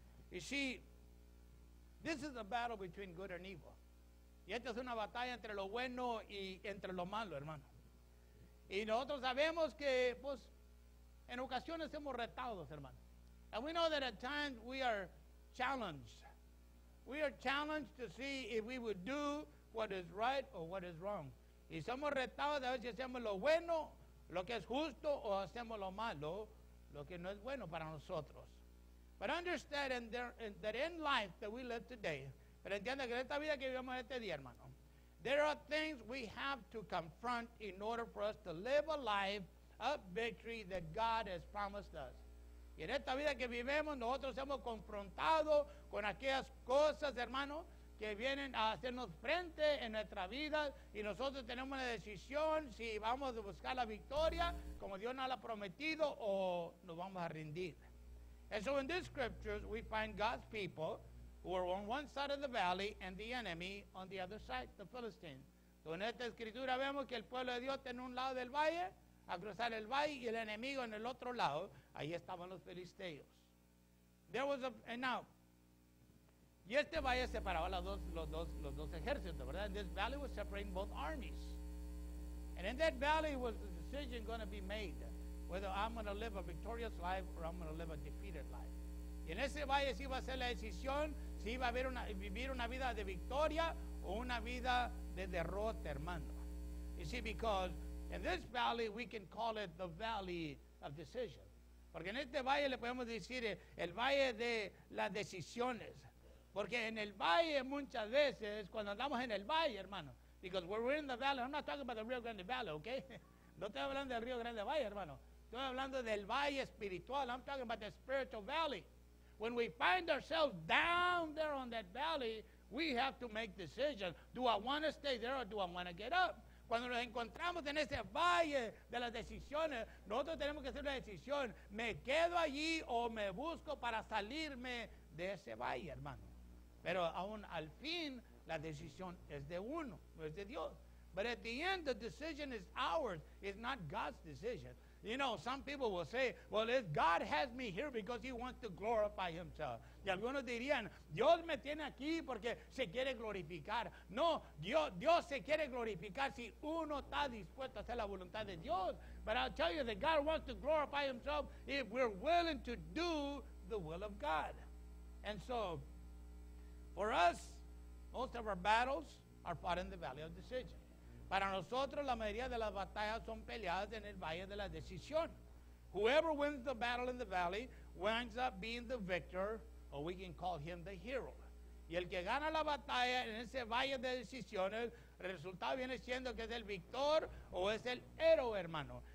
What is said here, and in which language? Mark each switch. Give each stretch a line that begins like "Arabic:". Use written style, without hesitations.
English: You see, this is a battle between good and evil.
Spanish: Y esta es una batalla entre lo bueno y entre lo malo, hermano. Y nosotros sabemos que, pues, en ocasiones hemos retados, hermano.
English: And we know that at times we are challenged. We are challenged to see if we would do what is right or what is wrong.
Spanish: Y somos retados a ver si hacemos lo bueno, lo que es justo, o hacemos lo malo, lo que no es bueno para nosotros.
English: But understand that in life that we live today,
Spanish: pero entienda que en esta vida que vivimos este día, hermano,
English: there are things we have to confront in order for us to live a life of victory that God has promised us.
Spanish: Y en esta vida que vivimos, nosotros hemos confrontado con aquellas cosas, hermano, que vienen a hacernos frente en nuestra vida y nosotros tenemos la decisión si vamos a buscar la victoria como Dios nos la ha prometido o nos vamos a rendir.
English: And so in this scripture, we find God's people who are on one side of the valley and the enemy on the other side, the Philistines.
Spanish: So en esta escritura vemos que el pueblo de Dios está en un lado del valle, a cruzar el valle, y el enemigo en el otro lado, ahí estaban los filisteos.
English: There was a, and now,
Spanish: y este valle separaba los dos ejércitos, ¿verdad?
English: And this valley was separating both armies. And in that valley was the decision going to be made, whether I'm going to live a victorious life or I'm going to live a defeated life.
Spanish: Y en ese valle sí iba a ser la decisión si iba a vivir una vida de victoria o una vida de derrota, hermano.
English: You see, because in this valley we can call it the valley of decision.
Spanish: Porque en este valle le podemos decir el valle de las decisiones. Porque en el valle muchas veces, cuando andamos en el valle, hermano,
English: because we're in the valley, I'm not talking about the Rio Grande Valley, okay?
Spanish: No estoy hablando del Rio Grande Valle, hermano. Estoy hablando del valle espiritual.
English: I'm talking about the spiritual valley. When we find ourselves down there on that valley, we have to make decisions. Do I want to stay there or do I want to get up?
Spanish: Cuando nos encontramos en ese valle de las decisiones, nosotros tenemos que hacer una decisión. ¿Me quedo allí o me busco para salirme de ese valle, hermano? Pero aún al fin, la decisión es de uno, no es de Dios.
English: But at the end, the decision is ours. It's not God's decision. You know, some people will say, well, if God has me here because he wants to glorify himself.
Spanish: Y algunos dirían, Dios me tiene aquí porque se quiere glorificar. No, Dios se quiere glorificar si uno está dispuesto a hacer la voluntad de Dios.
English: But I'll tell you that God wants to glorify himself if we're willing to do the will of God. And so, for us, most of our battles are fought in the valley of decision.
Spanish: Para nosotros, la mayoría de las batallas son peleadas en el valle de la decisión.
English: Whoever wins the battle in the valley winds up being the victor, or we can call him the hero.
Spanish: Y el que gana la batalla en ese valle de decisiones, el resultado viene siendo que es el victor o es el héroe, hermano.